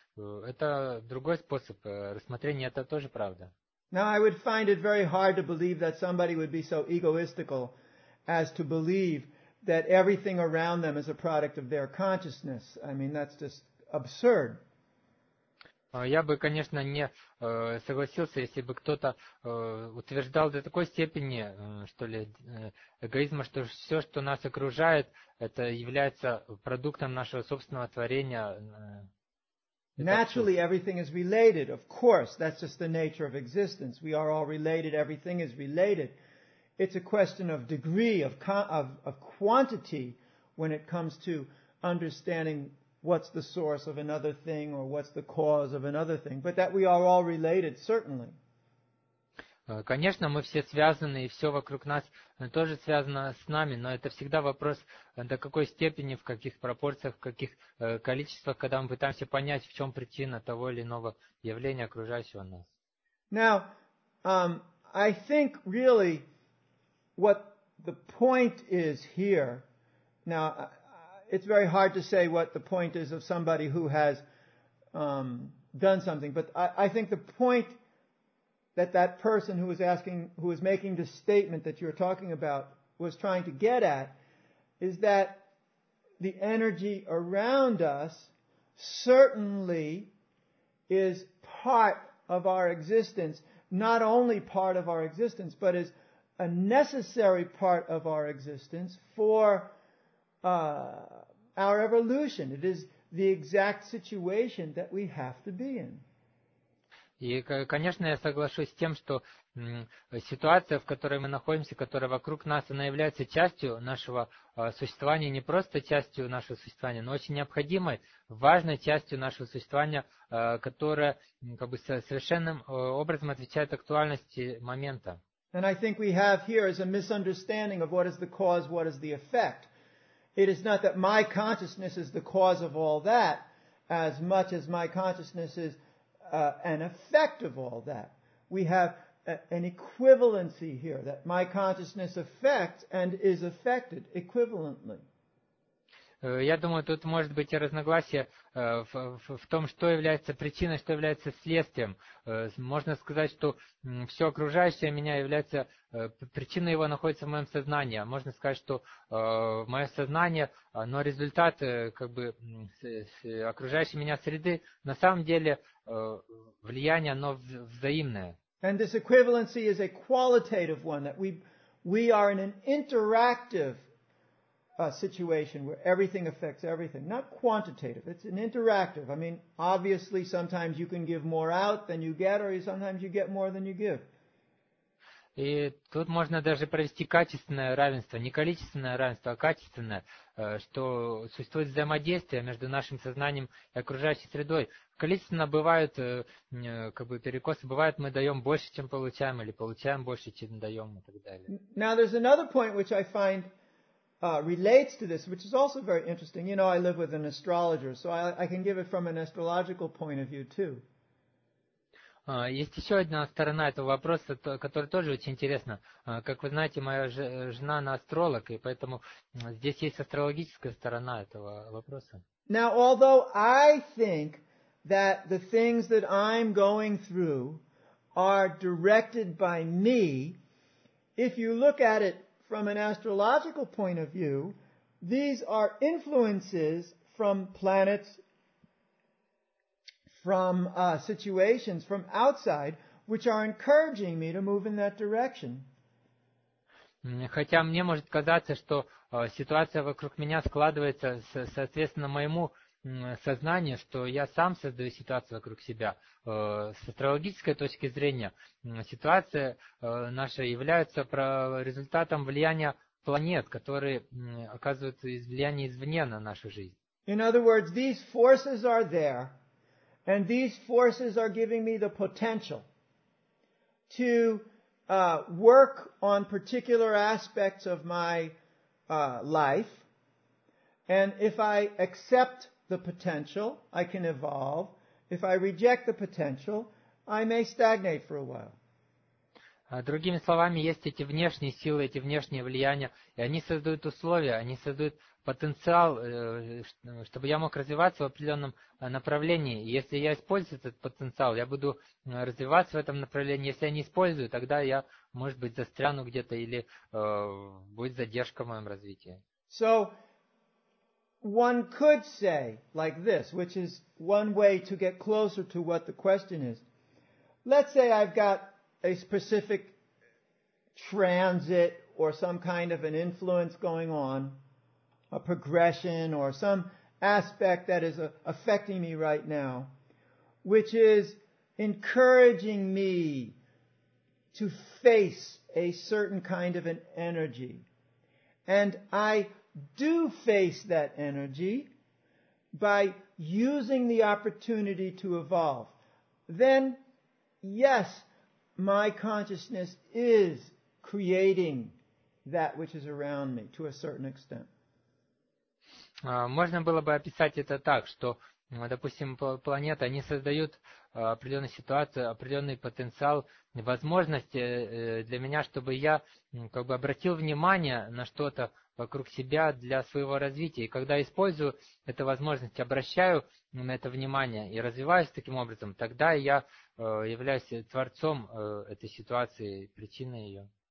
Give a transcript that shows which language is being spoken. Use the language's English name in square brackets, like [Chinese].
[Russian] Это другой способ рассмотрения, это тоже правда. [English] Now I would find it very hard to believe that somebody would be so egoistical as to believe that everything around them is a product of their consciousness. I mean, that's just absurd. [Russian] Я бы, конечно, не согласился, если бы кто-то утверждал до такой степени, что ли, эгоизма, что все, что нас окружает, это является продуктом нашего собственного творения. [English] Naturally, everything is related. Of course, that's just the nature of existence. We are all related. Everything is related. It's a question of degree, of quantity, when it comes to understanding what's the source of another thing or what's the cause of another thing. But that we are all related, certainly. [Russian] Конечно, мы все связаны, и все вокруг нас тоже связано с нами, но это всегда вопрос, до какой степени, в каких пропорциях, в каких количествах, когда мы пытаемся понять, в чем причина того или иного явления, окружающего нас. [English] Now, I think really what the point is here, now, it's very hard to say what the point is of somebody who has done something, but I think the point that person who was asking, who was making the statement that you're talking about, was trying to get at, is that the energy around us certainly is part of our existence, not only part of our existence, but is a necessary part of our existence for our evolution. It is the exact situation that we have to be in. [Russian] И, конечно, я соглашусь с тем, что ситуация, в которой мы находимся, которая вокруг нас, она является частью нашего существования, не просто частью нашего существования, но очень необходимой, важной частью нашего существования, которая как бы совершенным образом отвечает актуальности момента. [English] And I think we have here is a misunderstanding of what is the cause, what is the effect. It is not that my consciousness is the cause of all that, as much as my consciousness is an effect of all that. We have an equivalency here, that my consciousness affects and is affected equivalently. [Russian] Я думаю, тут может быть и разногласие в том, что является причиной, что является следствием. Можно сказать, что все окружающее меня является, причина его находится в моем сознании. Можно сказать, что мое сознание, но результат как бы, окружающей меня среды, на самом деле влияние, оно взаимное. [English] And this equivalency is a qualitative one, that we are in an interactive a situation where everything affects everything. Not quantitative, it's an interactive. I mean, obviously, sometimes you can give more out than you get, or sometimes you get more than you give. [Russian] И тут можно даже провести качественное равенство, не количественное равенство, а качественное, что существует взаимодействие между нашим сознанием и окружающей средой. Количественно бывают как бы перекосы, бывает мы даем больше, чем получаем, или получаем больше, чем даем, и так далее. [English] Now, there's another point which I find relates to this, which is also very interesting. You know, I live with an astrologer, so I can give it from an astrological point of view too. [Russian] Есть еще одна сторона этого вопроса, которая тоже очень интересна. Как вы знаете, моя жена она астролог, и поэтому здесь есть астрологическая сторона этого вопроса. [English] Now, although I think that the things that I'm going through are directed by me, if you look at it from an astrological point of view, these are influences from planets, from situations, from outside, which are encouraging me to move in that direction. [Russian] Хотя мне может казаться, что ситуация вокруг меня складывается соответственно моему сознание, что я сам создаю ситуацию вокруг себя. С астрологической точки зрения, ситуация наша является результатом влияния планет, которые оказывают влияние извне на нашу жизнь. [English] In other words, these forces are there, and these forces are giving me the potential to work on particular aspects of my life, and if I accept the potential, I can evolve. If I reject the potential, I may stagnate for a while. [Russian] Другими словами, есть эти внешние силы, эти внешние влияния, и они создают условия, они создают потенциал, чтобы я мог развиваться в определенном направлении. Если я использую этот потенциал, я буду развиваться в этом направлении. Если я не использую, тогда я, может быть, застряну где-то или будет задержка в моем развитии. [English] So, One could say like this, which is one way to get closer to what the question is. Let's say I've got a specific transit or some kind of an influence going on, a progression or some aspect that is affecting me right now, which is encouraging me to face a certain kind of an energy. And I do face that energy by using the opportunity to evolve. Then, yes, my consciousness is creating that which is around me to a certain extent. [Russian] Можно было бы описать это так, что, допустим, планеты, они создают определенную ситуацию, определенный потенциал, возможности для меня, чтобы я как бы обратил внимание на что-то вокруг себя для своего развития. И когда использую эту возможность, обращаю на это внимание и развиваюсь таким образом, тогда я являюсь творцом этой ситуации, причиной ее.